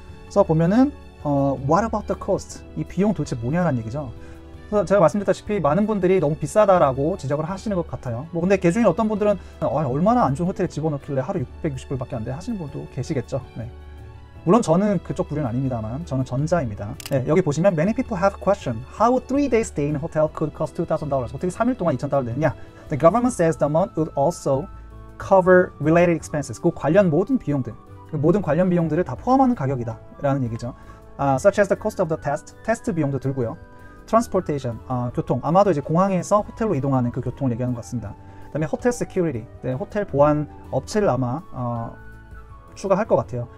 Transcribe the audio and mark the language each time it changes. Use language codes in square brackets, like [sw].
[ko] 그래서 보면은 [en] What about the cost? [ko] 이 비용 도대체 뭐냐라는 얘기죠. 그래서 제가 말씀드렸다시피 많은 분들이 너무 비싸다라고 지적을 하시는 것 같아요. 뭐 근데 개 중에 어떤 분들은 얼마나 안 좋은 호텔에 집어넣길래 하루 $660밖에 안 돼 하시는 분도 계시겠죠. 네. 물론 저는 그쪽 부류는 아닙니다만 저는 전자입니다. 네, 여기 보시면 [en] Many people have questioned how 3 days stay in hotel could cost $2,000. [ko] 어떻게 3일 동안 $2,000 되느냐. [en] The government says the amount would also cover related expenses. [ko] 그 관련 모든 비용들, 그 모든 관련 비용들을 다 포함하는 가격이다 라는 얘기죠. [en] Such as the cost of the test, [ko] 테스트 비용도 들고요. Transportation, 교통, 아마도 이제 공항에서 호텔로 이동하는 그 교통을 얘기하는 것 같습니다. 그 다음에 호텔 security, 네, 호텔 보안 업체를 아마 추가할 것 같아요.